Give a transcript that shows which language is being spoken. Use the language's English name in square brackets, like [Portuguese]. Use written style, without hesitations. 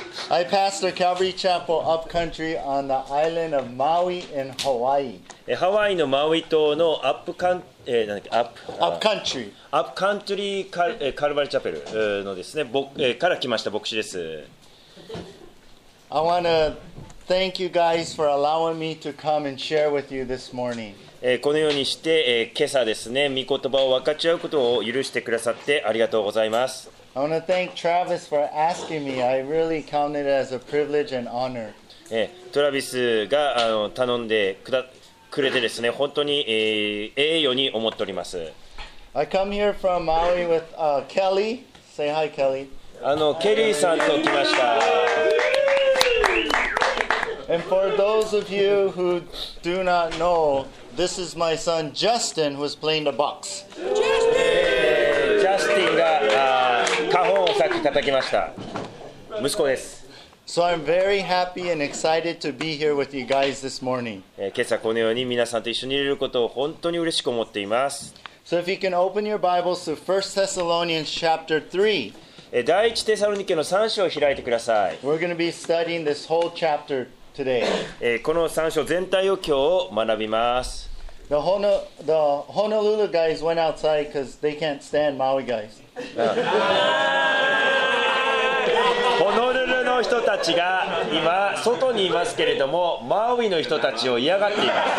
[English] I pastor Calvary Chapel Upcountry on the island of Maui in Hawaii. [Japanese] ハワイのマウイ島のアップカン、えー、なんだっけ、アップ、アップカントリー、アップカントリーカ、カルバリチャペルのですね、から来ました牧師です。 [English] I want to thank you guys for allowing me to come and share with you this morning. [Japanese] このようにして、今朝ですね、御言葉を分かち合うことを許してくださってありがとうございます。 [English] I want to thank Travis for asking me. I really count it as a privilege and honor. [Japanese] トラビスが頼んでくれてですね、本当に、栄誉に思っております。 [English] I come here from Maui with Kelly. Say hi, Kelly. [Japanese] ケリーさんと来ました。 [English] And for those of you who do not know, this is my son Justin who is playing the box. [Japanese] Justin が花本をさっき叩きました。息子です。 [English] So I'm very happy and excited to be here with you guys this morning. [Japanese] 今朝このように皆さんと一緒にいることを本当に嬉しく思っています。 [English] So if you can open your Bibles to 1 Thessalonians chapter 3. [Japanese] 第1テサロニケの3章を開いてください。 [English] We're going to be studying this whole chapter today. [Japanese] この3章全体を今日学びます。 [English] The Honolulu guys went outside because they can't stand Maui guys. [Japanese] Honolulu の人たちが今外にいますけれども、マウイの人たちを嫌がっています。